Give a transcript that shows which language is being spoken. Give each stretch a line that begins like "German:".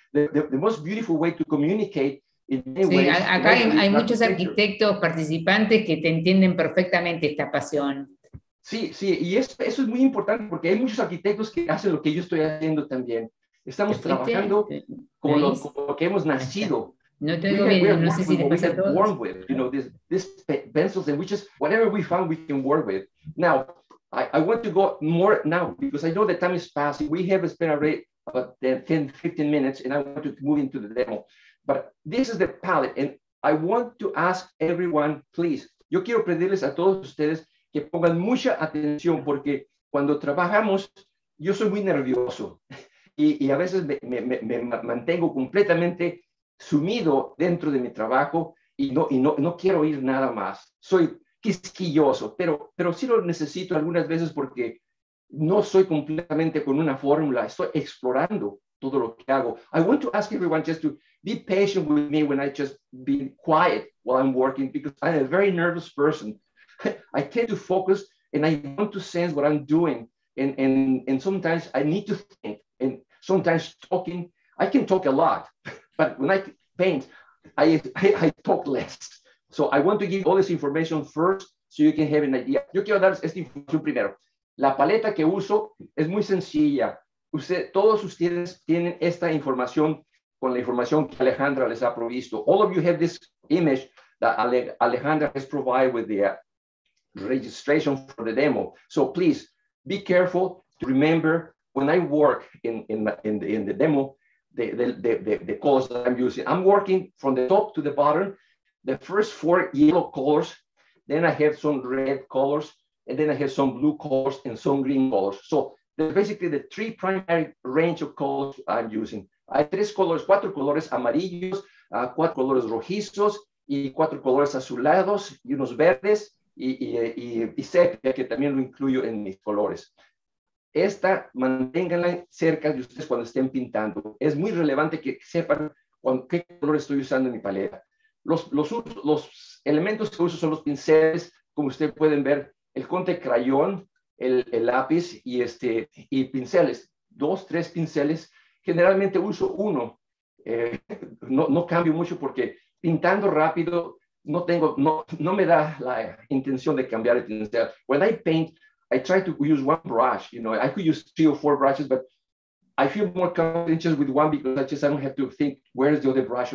English: The most beautiful way to communicate in many ways.
Spanish: Acá hay muchos arquitectos participantes que te entienden perfectamente esta pasión. Sí, sí, y eso es muy importante porque hay muchos arquitectos que hacen lo que yo estoy haciendo también. Estamos trabajando con lo que hemos nacido. No te digo bien, no sé si te pasa todo.
English: Work with, you know, these pencils and which is whatever we found we can work with. Now, I want to go more now because I know the time is passing. We have spent already about 10, 15 minutes and I want to move into the demo. But this is the palette and I want to ask everyone, please,
Spanish: yo quiero pedirles a todos ustedes que pongan mucha atención porque cuando trabajamos, yo soy muy nervioso y a veces me mantengo completamente sumido dentro de mi trabajo y no quiero ir nada más. Soy quisquilloso, pero sí lo necesito algunas veces porque no soy completamente con una fórmula. Estoy explorando todo lo que hago.
English: I want to ask everyone just to be patient with me when I just be quiet while I'm working because I'm a very nervous person. I tend to focus and I want to sense what I'm doing. And sometimes I need to think. And sometimes talking, I can talk a lot. But when I paint, I talk less. So I want to give all this information first so you can have an idea.
Spanish: Yo quiero dar esta información primero. La paleta que uso es muy sencilla. Todos ustedes tienen esta información con la información que Alejandra les ha provisto.
English: All of you have this image that Alejandra has provided with the registration for the demo. So please be careful to remember when I work in the demo, the colors that I'm using. I'm working from the top to the bottom, the first four yellow colors, then I have some red colors, and then I have some blue colors and some green colors. So there's basically the three primary range of colors I'm using.
Spanish: Hay tres colores, cuatro colores amarillos, cuatro colores rojizos, y cuatro colores azulados, y unos verdes, y sepia, que también lo incluyo en mis colores. Esta, manténganla cerca de ustedes cuando estén pintando. Es muy relevante que sepan qué color estoy usando en mi paleta. Los elementos que uso son los pinceles, como ustedes pueden ver, el conte crayón, el lápiz y pinceles. Dos, tres pinceles. Generalmente uso uno. No cambio mucho porque pintando rápido no me da la intención de cambiar el pincel.
English: When I paint, I try to use one brush, you know, I could use three or four brushes, but I feel more confident just with one because I don't have to think where is the other brush.